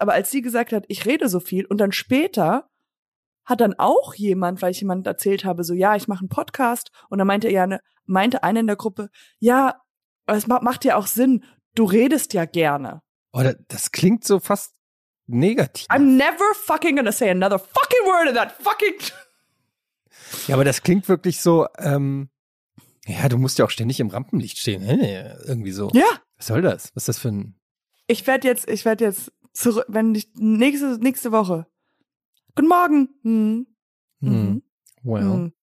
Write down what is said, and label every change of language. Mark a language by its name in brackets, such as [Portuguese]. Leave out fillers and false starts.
[German] Aber als sie gesagt hat, ich rede so viel und dann später hat dann auch jemand, weil ich jemand erzählt habe, so, ja, ich mache einen Podcast. Und dann meinte eine in der Gruppe, ja, es macht ja auch Sinn, du redest ja gerne. Oder das klingt so fast negativ. [English] I'm never fucking gonna say another fucking word of that fucking... [German] Ja, aber das klingt wirklich so, du musst ja auch ständig im Rampenlicht stehen, irgendwie so. Ja. Was soll das? Was ist das für ein... Ich werde jetzt zurück, wenn ich nächste Woche. Guten Morgen.